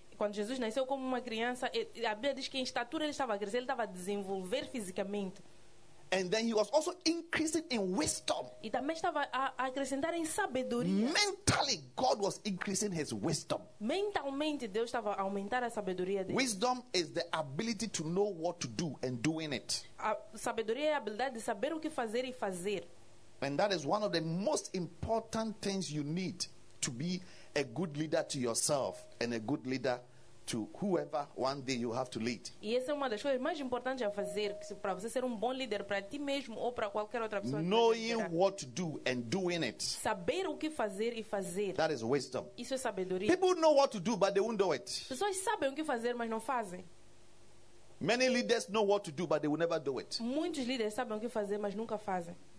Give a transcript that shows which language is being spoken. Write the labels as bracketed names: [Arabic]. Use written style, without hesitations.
[Portuguese] Quando Jesus nasceu como uma criança, a Bíblia diz que em estatura ele estava crescendo, ele estava a desenvolver fisicamente. [English] And then he was also increasing in wisdom. [Portuguese] E também estava a acrescentar em sabedoria. [English] Mentally, God was increasing his wisdom. [Portuguese] Mentalmente, Deus estava a aumentar a sabedoria dele. [English] Wisdom is the ability to know what to do and doing it. [Portuguese] A sabedoria é a habilidade de saber o que fazer e fazer. [English] And that is one of the most important things you need to be a good leader to yourself and a good leader to whoever one day you have to lead. [Portuguese] E essa é uma das coisas mais importantes a fazer para você ser um bom líder para ti mesmo ou para qualquer outra pessoa. [English] Knowing what to do and doing it. [Portuguese] Saber o que fazer e fazer. [English] That is wisdom. [Portuguese] Isso é sabedoria. [English] People know what to do but they won't do it. [Portuguese] Pessoas sabem o que fazer mas não fazem. [English] Many leaders know what to do but they will never do it. [Portuguese] Muitos líderes sabem o que fazer mas nunca fazem.